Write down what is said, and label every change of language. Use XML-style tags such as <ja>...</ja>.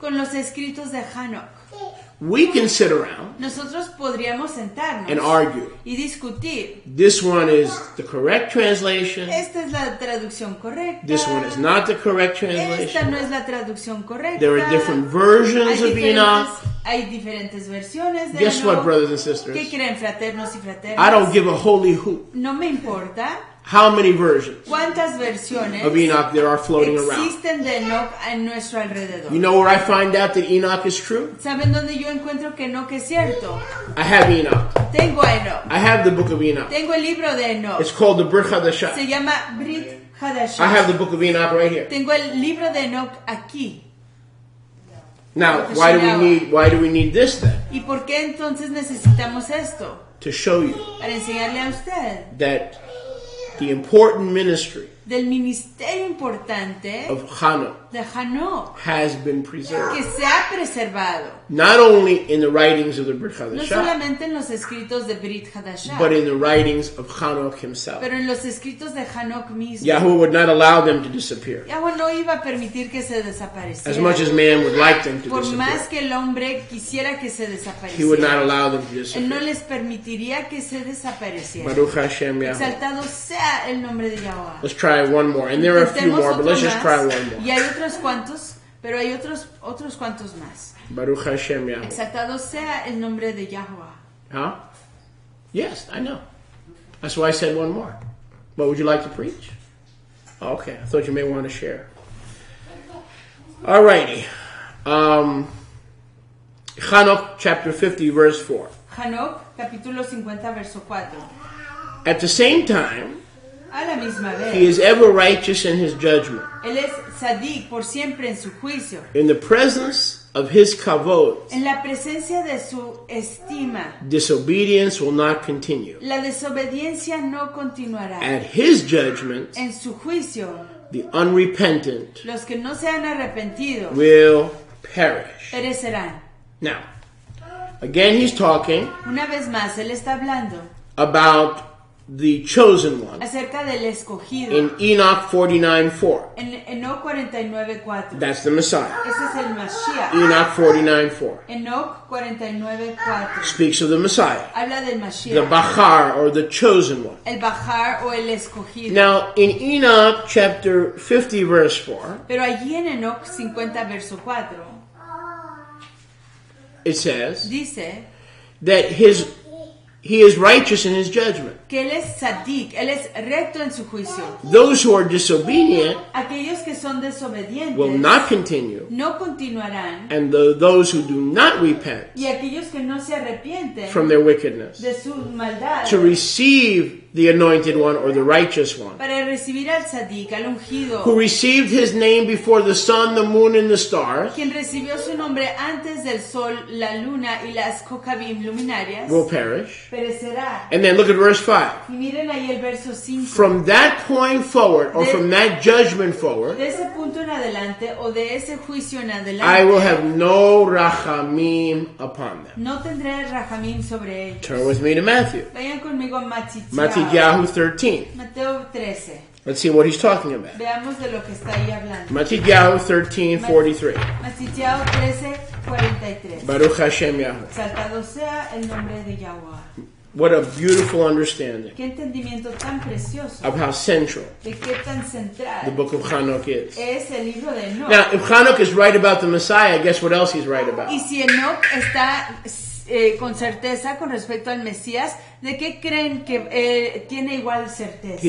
<es>Con los escritos de Hanok.</es> <en>We can sit around.</en> <es>Nosotros podríamos sentarnos.</es> <en>And argue.</en> <es>Y discutir.</es> <en>This one is the correct translation.</en> <es>Esta es la traducción correcta.</es> <en>This one is not the correct translation.</en> <es>Esta no es la traducción correcta.</es> <en>There are different versions of Enoch.</en> <es>Hay diferentes versiones de</es> <en>Guess Enoch. What, brothers and sisters?</en> <es>¿Qué creen, fraternos y fraternas?</es> <en>I don't give a holy hoot.</en> <es>No me importa.</es> <en>How many versions?</en> <es>¿Cuántas versiones</es> <en>of Enoch there are floating</en> <es>existen</es> <en>around?</en> <es>Existen de Enoch en nuestro alrededor.</es> <en>You know where I find out that Enoch is true?</en> <es>¿Saben dónde yo encuentro que Enoch es cierto?</es> <en>I have Enoch.</en> <es>Tengo a Enoch.</es> <en>I have the book of Enoch.</en> <es>Tengo el libro de Enoch.</es> <en>It's called the Brit Hadashah.</en> <es>Se llama Brit Hadashah.</es> <en>I have the book of Enoch right here.</en> <es>Tengo el libro de Enoch aquí.</es> <en>Now, why do we need this then?</en> <es>¿Y por qué entonces necesitamos esto?</es> <en>To show you.</en> <es>Para enseñarle a usted.</es> <en>That the important ministry</en> <es>del ministerio importante</es> <en>of Hanok,</en> <es>de Hanok</es> <en>has been preserved.</en> <es>Que se ha preservado.</es> <en>Not only in the writings of the Brit Hadashah,</en> <es>no solamente en los escritos de Brit Hadashah,</es> <en>but in the writings of Hanok himself.</en> <es>Pero en los escritos de Hanok mismo.</es> <en>Yahuwah would not allow them to disappear.</en> <es>Yahuwah no iba a permitir que se desaparecieran.</es> <en>As much as man would like them to</en> <es>por</es> <en>disappear.</en> <es>Más que el hombre quisiera que se desaparecieran.</es> <en>He would not allow them to disappear.</en> <es>Él no les permitiría que se desaparecieran.</es> <he>Baruch Hashem Yahuwah.</he> <es>Exaltado sea el nombre de Yahuwah.</es> <en>Let's try one more. And there are a few more, but let's just try one more.</en> <es>Y hay otros cuantos, pero hay otros cuantos más.</es> <he>Baruch Hashem Yahuwah.</he> <es>Exaltado sea el nombre de Yahuwah.</es> <en>Huh? Yes, I know. That's why I said one more. What would you like to preach? Okay, I thought you may want to share. Alrighty. Hanok chapter 50, verse 4.</en> <es>Hanok, capítulo 50, verso 4.</es> <en>At the same time,</en> <es>a la misma vez,</es> <en>he is ever righteous in his judgment.</en> <es>Él es tzadik por siempre en su juicio.</es> <en>In the presence of his kavod,</en> <es>en la presencia de su estima,</es> <en>disobedience will not continue.</en> <es>La desobediencia no continuará.</es> <en>At his judgment,</en> <es>en su juicio,</es> <en>the unrepentant,</en> <es>los que no se han arrepentido,</es> <en>will perish.</en> <es>Perecerán.</es> <en>Now, again he's talking,</en> <es>una vez más, él está hablando,</es> <en>about the chosen one.</en> <es>Acerca del escogido.</es> <en>In Enoch 49:4.</en> <es>En Enoch 49:4.</es> <en>That's the Messiah.</en> <es>Ese es el Mashiach.</es> <en>Enoch 49:4.</en> <es>Enoch 49:4.</es> <en>Speaks of the Messiah.</en> <es>Habla del Mashiach.</es> <en>The Bachar or the chosen one.</en> <es>El Bachar o el escogido.</es> <en>Now in Enoch chapter 50 verse 4.</en> <es>Pero allí en Enoch 50 verso 4.</es> <en>It says.</en> <es>Dice.</es> <en>That his He is righteous in his judgment.</en> <es>Que él es tzadik, él es recto en su juicio.</es> <en>Those who are disobedient,</en> <es>aquellos que son desobedientes,</es> <en>will not continue.</en> <es>No continuarán.</es> <en>And those who do not repent,</en> <es>y aquellos que no se arrepienten,</es> <en>from their wickedness,</en> <es>de su maldad,</es> <en>to receive the anointed one or the righteous one,</en> <es>para recibir al tzadik, al ungido,</es> <en>who received his name before the sun, the moon, and the stars,</en> <es>quien recibió su nombre antes del sol, la luna, y las kokavim luminarias,</es> <en>will perish.</en> <es>Perecerá.</es> <en>And then look at verse 5.</en> <es>Y miren ahí el verso 5.</es> <en>From that point forward, or from that judgment forward,</en> <es>de ese punto en adelante, o de ese juicio en adelante,</es> <en>I will have no rachamim upon them.</en> <es>No tendré rachamim sobre ellos.</es> <en>Turn with me to Matthew.</en> <es>Vayan conmigo a Matitiao.</es> <en>Matityahu 13.</en> <es>Mateo 13.</es> <en>Let's see what he's talking about.</en> <es>Veamos de lo que está ahí hablando.</es> <en>Matityahu 13:43.</en> <es>Matityahu 13:43.</es> <he>Baruch Hashem Yahuwah.</he> <es>Exaltado sea el nombre de Yahuwah.</es> <en>What a beautiful understanding.</en> <es>Qué entendimiento tan precioso.</es> <en>Of how central.</en> <es>De qué tan central.</es> <en>The book of Hanok is.</en> <es>Es el libro de Enoch.</es> <en>Now, if Hanok is right about the Messiah, guess what else he's right about?</en> <es>Y si Enoch está con certeza con respecto al Mesías, ¿de qué creen que tiene igual certeza?</es>